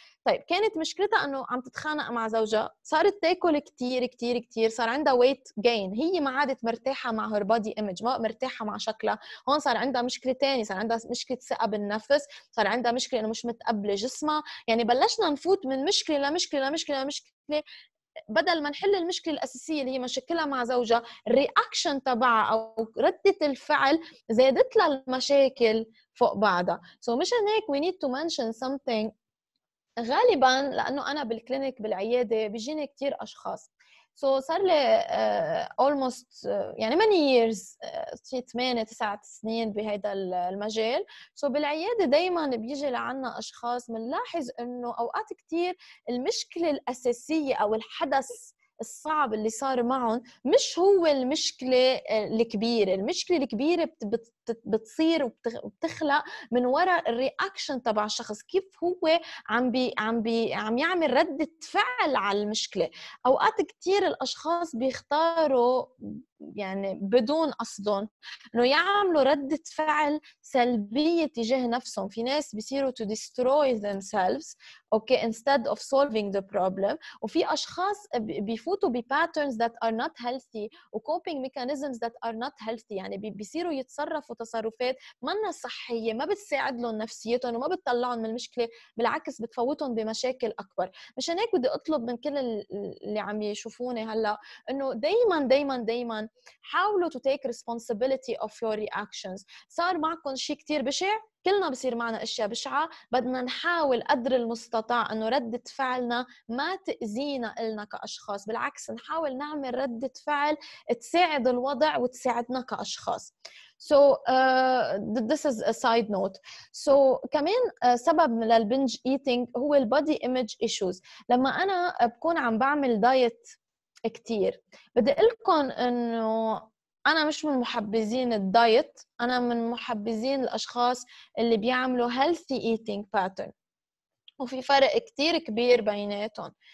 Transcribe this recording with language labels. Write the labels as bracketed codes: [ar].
[ar] طيب كانت مشكلتها انه عم تتخانق مع زوجها، صارت تاكل كتير كتير كتير، صار عندها weight gain، هي ما عادت مرتاحه مع her body image، ما مرتاحه مع شكلها، هون صار عندها مشكله تانية، صار عندها مشكله ثقه بالنفس، صار عندها مشكله انه مش متقبله جسمها. يعني بلشنا نفوت من مشكله لمشكله لمشكله لمشكله، بدل ما نحل المشكلة الأساسية اللي هي مشكلها مع زوجها، الرياكشن تبعها أو ردة الفعل زادت لها المشاكل فوق بعضها. [en] So [ar] مشان هيك [en] we need to mention something. [ar] غالباً لأنه أنا بالكلينيك بالعيادة بيجيني كتير أشخاص. So صار لي almost يعني [en] many years، [ar] 8-9 سنين بهذا المجال. So بالعيادة دايماً بيجي لعنا أشخاص منلاحظ أنه أوقات كتير المشكلة الأساسية أو الحدث الصعب اللي صار معهم مش هو المشكلة الكبيرة، المشكلة الكبيرة بتصير وبتخلق من وراء الرياكشن تبع الشخص، كيف هو عم يعمل ردة فعل على المشكلة. أوقات كتير الأشخاص بيختاروا يعني بدون قصدهم انه يعملوا ردة فعل سلبية تجاه نفسهم. في ناس بيصيروا [en] to destroy themselves okay instead of solving the problem، [ar] وفي أشخاص بيفوتوا ب [en] patterns that are not healthy و coping mechanisms that are not healthy. [ar] يعني بيصيروا يتصرفوا تصرفات منا صحية، ما بتساعد لهم نفسيتهم وما بتطلعهم من المشكلة، بالعكس بتفوتهم بمشاكل أكبر. مشان هيك بدي أطلب من كل اللي عم يشوفوني هلا انه دايما دايما دايما حاولوا [en] to take responsibility of your reactions. [ar] صار معكم شيء كتير بشع، كلنا بصير معنا اشياء بشعة، بدنا نحاول قدر المستطاع انه ردة فعلنا ما تأذينا إلنا كأشخاص، بالعكس نحاول نعمل ردة فعل تساعد الوضع وتساعدنا كأشخاص. [en] So this is a side note. [ar] So كمان سبب للبنج eating هو body image issues. لما انا بكون عم بعمل دايت كتير، بدي قلكن انه انا مش من محبذين الدايت، انا من محبذين الاشخاص اللي بيعملوا healthy eating pattern، وفي فرق كتير كبير بيناتهم.